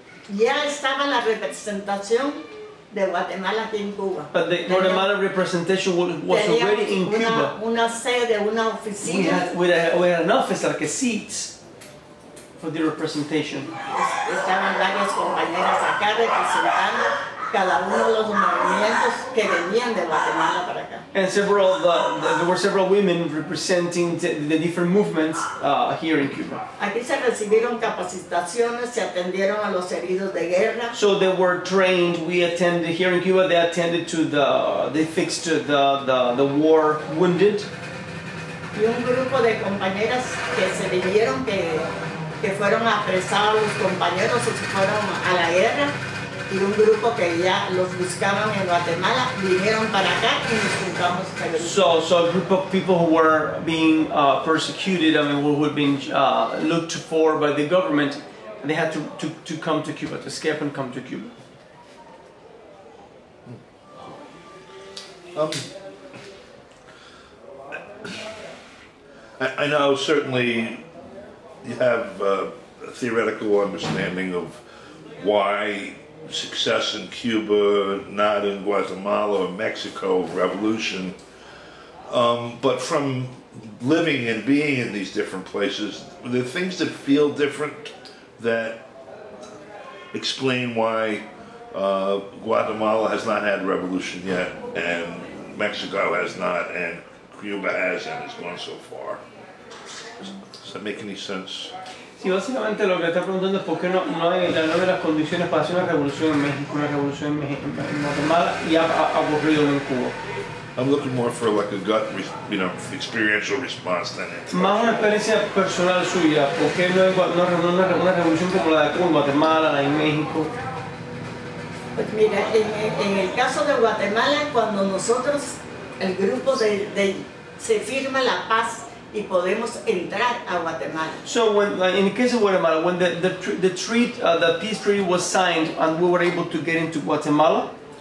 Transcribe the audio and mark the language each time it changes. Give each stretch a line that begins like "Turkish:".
Spanish: Ya estaba la representación de Guatemala aquí en Cuba.
English: But the Guatemala representation was already in Cuba.
Spanish: Una sede, una oficina.
English: We had an office, like a seat. For the representation.
Spanish: Estaban varias compañeras acá representando cada uno de los movimientos que venían de Guatemala para acá.
English: And several there were several women representing the different movements here in Cuba.
Spanish: Aquí se recibieron capacitaciones, se atendieron a los heridos de guerra.
English: So they were trained. We attended here in Cuba. They attended to the they fixed the war wounded.
Spanish: Y un grupo de compañeras que se vivieron que fueron apresados los compañeros o se fueron a la guerra, y un grupo que ya los buscaban en Guatemala vinieron para acá y nos juntamos para el grupo.
English: So a group of people who were being persecuted, I mean, who had been looked for by the government, and they had to come to Cuba, to escape and come to Cuba. I know certainly you have a theoretical understanding of why success in Cuba, not in Guatemala or Mexico, revolution. But from living and being in these different places, are there things that feel different that explain why Guatemala has not had revolution yet and Mexico has not and Cuba has and has gone so far? Does that make any sense?
Spanish: Sí, básicamente lo que está preguntando es por qué no hay la nueva las condiciones para hacer una revolución en México, una revolución en Guatemala y ha ocurrido en Cuba.
English: I'm looking more for like a gut, experiential response than it.
Spanish: Más una experiencia personal suya, por qué no hay una revolución como la de Cuba, Guatemala, la de México. Pues mira, en el caso de Guatemala, cuando nosotros, el grupo de se firma la paz y podemos entrar a Guatemala.
English: So when, in the case of Guatemala, when the peace treaty was signed and we were able to get into Guatemala.